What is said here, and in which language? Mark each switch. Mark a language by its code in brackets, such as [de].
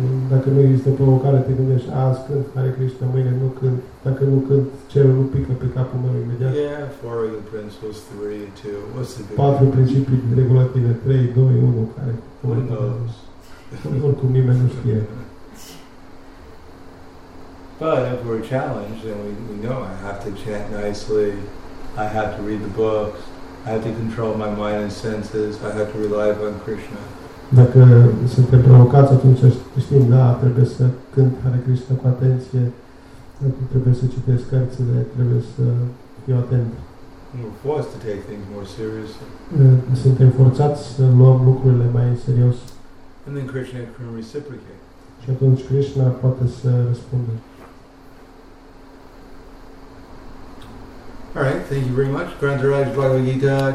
[ro] Dacă nu există provocare, te gândești, azi când Hare Krishna, mâine nu când, dacă nu când, cerul nu pică pe capul meu imediat. [en] Yeah, four of the principles, 3, 2, what's the big [ro] patru principii regulative, 3, 2, 1, care? [en] Who knows? [ro] Oricum nimeni nu știe. [en] But if we're challenged, then we know I have to chant nicely, I have to read the books, I have to control my mind and senses, I have to rely upon Krishna. [ro] Dacă suntem provocați, atunci știm, da, trebuie să cânt Hare Krishna cu atenție, trebuie să citesc cărțile, trebuie să fiu atent. [en] We're forced to take things more seriously. [ro] Suntem forțați să luăm lucrurile mai în serios. [en] And then Krishna can reciprocate. [ro] Și atunci Krishna poate să răspundă. [en] All right, thank you very much. Grand Raj Bhagavad Gita.